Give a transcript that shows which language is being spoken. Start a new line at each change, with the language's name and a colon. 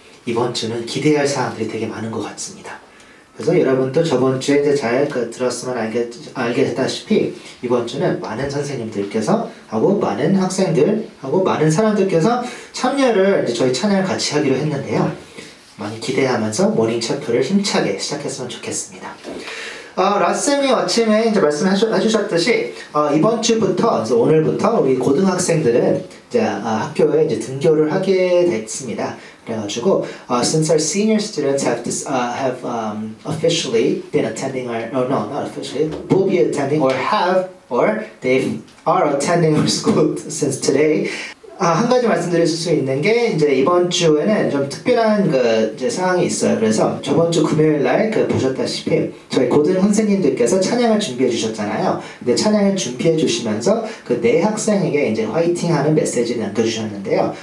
Korean: 이번 주는 기대할 사람들이 되게 많은 것 같습니다. 그래서 여러분도 저번 주에 이제 잘 들었으면 알겠다시피 이번 주는 많은 선생님들께서 하고 많은 학생들 하고 많은 사람들께서 참여를 이제 저희 찬양을 같이 하기로 했는데요. 많이 기대하면서 모닝 채플을 힘차게 시작했으면 좋겠습니다. 라쌤이 아침에 이제 말씀해주셨듯이 이번 주부터 이제 오늘부터 우리 고등학생들은 이제 학교에 이제 등교를 하게 됐습니다. 그래가지고
English: since our senior students have officially been attending or are attending our school since today.
Korean: 한 가지 말씀드릴 수 있는 게 이제 이번 주에는 좀 특별한 그 이제 상황이 있어요. 그래서 저번 주 금요일 날 그 보셨다시피 저희 고등 선생님들께서 찬양을 준비해 주셨잖아요. 근데 찬양을 준비해 주시면서 그 네 학생에게 이제 화이팅하는 메시지를 남겨주셨는데요.